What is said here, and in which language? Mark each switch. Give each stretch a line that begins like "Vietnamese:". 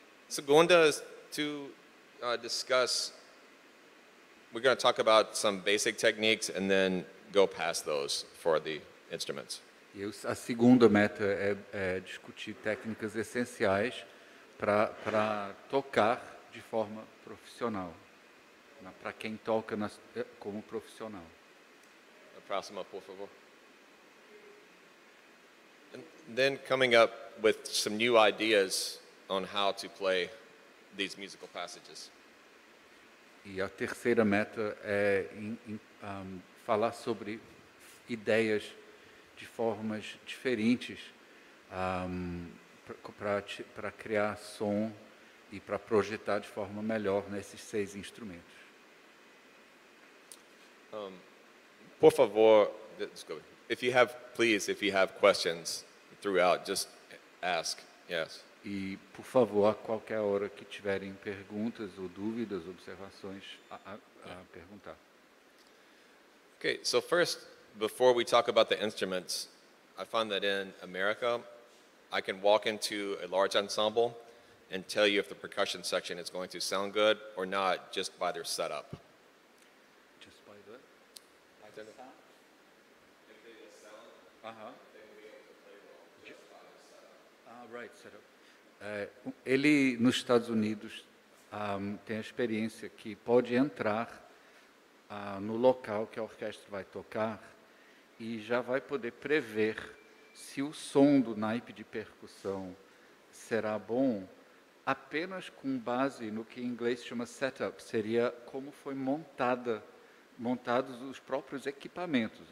English: Segunda is to discuss, we're going to talk about some basic techniques and then go past those for the instruments.
Portuguese: A segunda meta é discutir técnicas essenciais para tocar de forma profissional, para quem toca como profissional. A próxima, por favor.
English: And then coming up with some new ideas on how to play these musical passages.
Portuguese: E a terceira meta é falar sobre ideias de formas diferentes para criar som e para projetar de forma melhor nesses seis instrumentos. Por favor,
English: if you have, please, if you have questions throughout, just ask. Yes.
Portuguese: E por favor, a qualquer hora que tiverem perguntas ou dúvidas, observações, a perguntar.
English: Okay, so first, before we talk about the instruments, I find that in America, I can walk into a large ensemble and tell you if the percussion section is going to sound good or not just by their setup. Just by the sound? If they just sound, they will be able to play well just by the setup. Ah, right, setup.
Portuguese: Ele, nos Estados Unidos, tem a experiência que pode entrar no local que a orquestra vai tocar e já vai poder prever se o som do naipe de percussão será bom apenas com base no que em inglês se chama setup, seria como foi montados os próprios equipamentos.